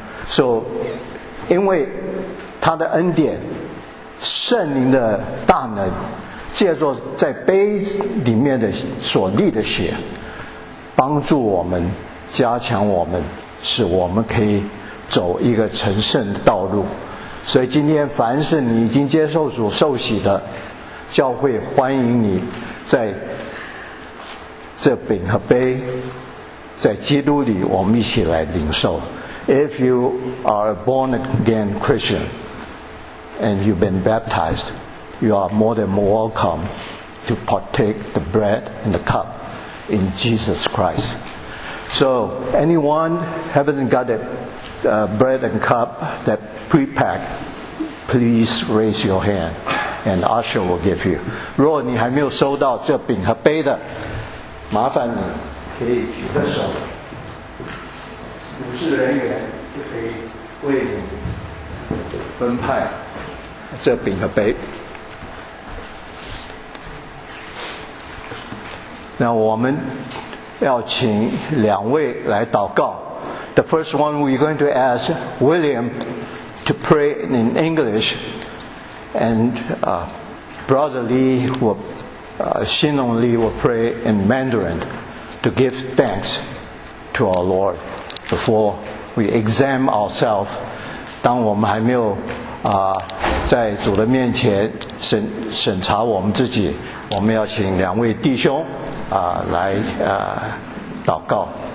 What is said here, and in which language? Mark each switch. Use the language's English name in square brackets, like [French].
[Chinese] So, 因为他的恩典，圣灵的大能，借着在杯里面的所立的血，帮助我们，加强我们，使我们可以走一个成圣的道路。所以今天凡是你已经接受主受洗的，教会欢迎你在这饼和杯，在基督里我们一起来领受。 [English] If you are a born again Christian,and you've been baptized, you are more than welcome to partake the bread and the cup in Jesus Christ. So, anyone haven't got a bread and cup, that pre-pack, please raise your hand and usher will give you. [Chinese] 如果你还没有收到这饼和杯的，麻烦你可以举个手，服侍人员就可以为你分派这饼和杯。那我们要请两位来祷告。 [English] The first one we're going to ask William to pray in English, and Brother Lee will, Xin Long Lee will pray in Mandarin to give thanks to our Lord before we examine ourselves. [Chinese] 当我们还没有在主的面前审查我们自己，我们要请两位弟兄来祷告。